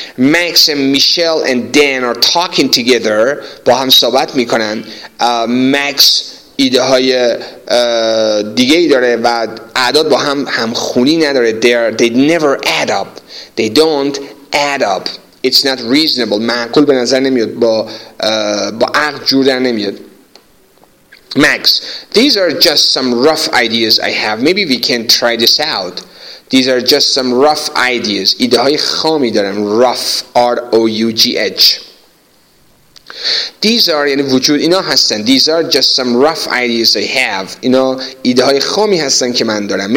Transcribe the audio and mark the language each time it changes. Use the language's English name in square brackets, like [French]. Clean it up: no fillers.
[English] Max and Michelle and Dan are talking together. [Persian] با هم صحبت میکنن. Max ایده های دیگه ای داره و اعداد با هم همخونی نداره. [English] They don't add up. It's not reasonable. [Persian] معقول به نظر نمیاد. با عقل جور در نمیاد. [English] Max, these are just some rough ideas I have. Maybe we can try this out. These are just some rough ideas. [Persian] ایده های خامی دارم. Rough, R-O-U-G-H. [English] These are, [Persian] یعنی وجود اینا هستن. [English] These are just some rough ideas I have. [Persian] اینا ایده های خامی هستن که من دارم.